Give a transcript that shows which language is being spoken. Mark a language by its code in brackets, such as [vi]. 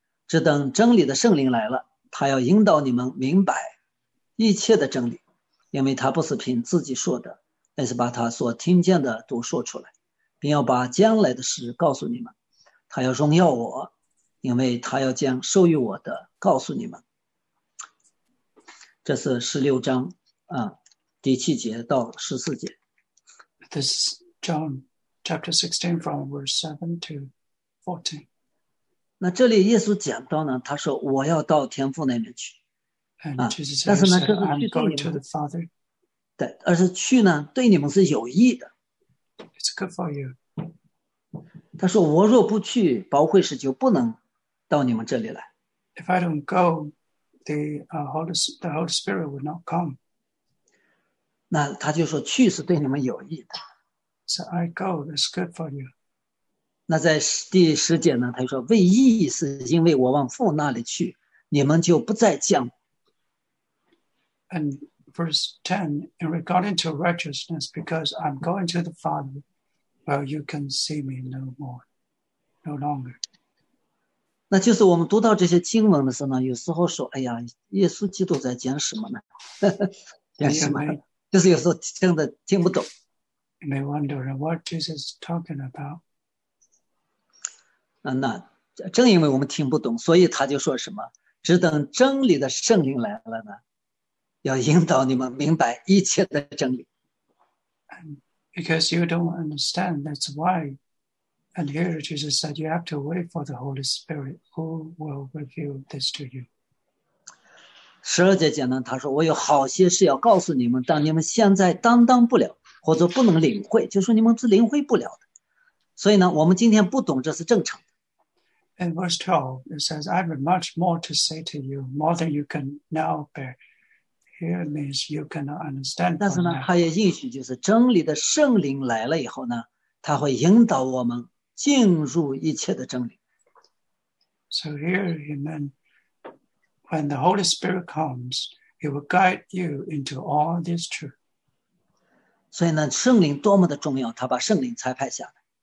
[zh] 只等真理的圣灵来了，他要引导你们明白一切的真理，因为他不是凭自己说的，而是把他所听见的都说出来，并要把将来的事告诉你们。他要荣耀我，因为他要将授予我的告诉你们。这是十六章啊，第七节到十四节。 [en] This is John chapter 16 from verse 7 to 14. [zh] 那这里耶稣讲到呢，他说我要到天父那边去。 [en] And Jesus said, I'm going to the Father. [zh] 对，而是去呢，对你们是有益的。 [en] It's good for you. [zh] 他说我若不去，保惠师就不能到你们这里来。 [en] If I don't go, the Holy Spirit would not come. [zh] 那他就说去是对你们有益的。 [en] So I go, it's good for you. [zh] 那在第十节呢，他就说为义是因为我往父那里去，你们就不再见。 [en] And verse 10, in regarding to righteousness, because I'm going to the Father, well, you can see me no more, no longer. [zh] 那就是我们读到这些经文的时候呢，有时候说，哎呀，耶稣基督在讲什么呢？讲什么？就是有时候真的听不懂。 [en] You may wonder what Jesus is talking about. [zh] 那正因为我们听不懂，所以他就说什么，只等真理的圣灵来了呢，要引导你们明白一切的真理。 [en] And because you don't understand, that's why. And here Jesus said, you have to wait for the Holy Spirit who will reveal this to you. [zh] 十二节讲呢，他说我有好些事要告诉你们，但你们现在担当不了，或者不能领会，就是你们是领会不了的。所以呢，我们今天不懂，这是正常的。 [en] In verse 12, it says, I have much more to say to you, more than you can now bear. Here means you cannot understand. [zh] 但是呢，他也应许就是真理的圣灵来了以后呢，他会引导我们进入一切的真理。 [en] So here he meant when the Holy Spirit comes, he will guide you into all this truth. [zh] 所以呢，圣灵多么的重要，他把圣灵差派下来。